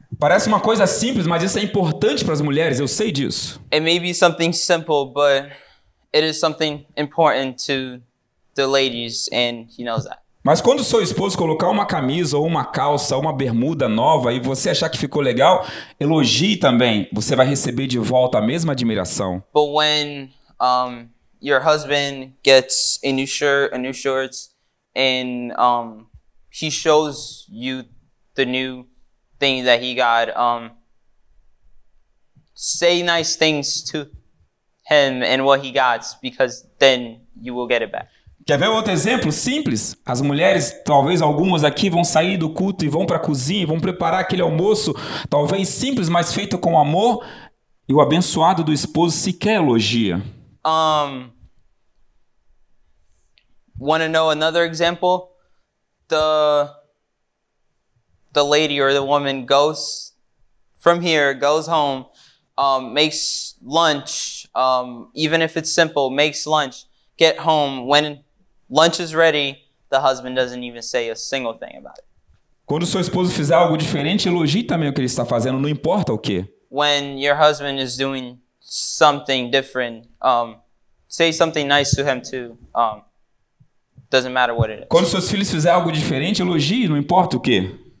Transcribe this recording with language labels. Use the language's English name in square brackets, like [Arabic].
[Portuguese] Parece uma coisa simples, mas isso é importante para as mulheres, eu sei disso. [English] It may be something simple, but it is something important to the ladies and he knows that. [Portuguese] Mas quando seu esposo colocar uma camisa ou uma calça, uma bermuda nova e você achar que ficou legal, elogie também. Você vai receber de volta a mesma admiração. [English] But when your husband gets a new shirt, a new shorts, and he shows you the new thing that he got. Say nice things to him and what he got, because then you will get it back. [Portuguese] Quer ver outro exemplo simples? As mulheres, talvez algumas aqui, vão sair do culto e vão para a cozinha, vão preparar aquele almoço, talvez simples, mas feito com amor, e o abençoado do esposo sequer elogia. [English] Want to know another example? The lady or the woman goes from here, goes home, makes lunch, even if it's simple, makes lunch, get home. When lunch is ready, the husband doesn't even say a single thing about it. [Portuguese] Quando seu esposo fizer algo diferente, elogie também o que ele está fazendo, não importa o quê. [English] When your husband is doing something different, say something nice to him too. Doesn't matter what it is. [Portuguese] Quando seus filhos fizerem algo diferente, elogie, não importa o quê.